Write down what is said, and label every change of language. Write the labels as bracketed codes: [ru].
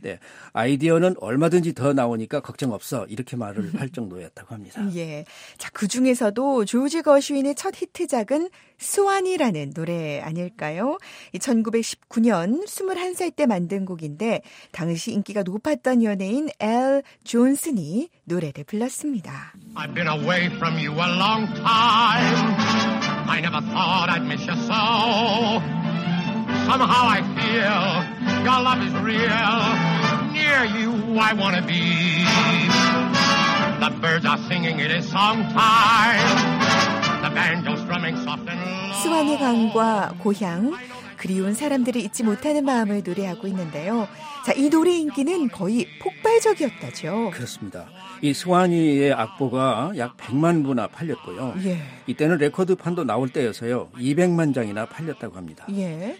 [ko] 네, 아이디어는 얼마든지 더 나오니까 걱정 없어 이렇게 말을 할 정도였다고 합니다. 예, 자 그중에서도 조지 거슈인의 첫 히트작은 스완이라는 노래 아닐까요? 1919년 21살 때 만든 곡인데 당시 인기가 높았던 연예인 엘 존슨이 노래를 불렀습니다. [en] I've been away from you a long time. I never thought I'd miss you so. Somehow I feel your love is real. Near you I want to be. The birds are singing, it is songtime. The banjo's drumming soft and low. [ko] 스완의 강과 고향, 그리운 사람들을 잊지 못하는 마음을 노래하고 있는데요. 자, 이 노래 인기는 거의 폭발적이었다죠. 그렇습니다. 이 스와니의 악보가 약 100만 부나 팔렸고요. 예. 이때는 레코드판도 나올 때여서요. 200만 장이나 팔렸다고 합니다. 예.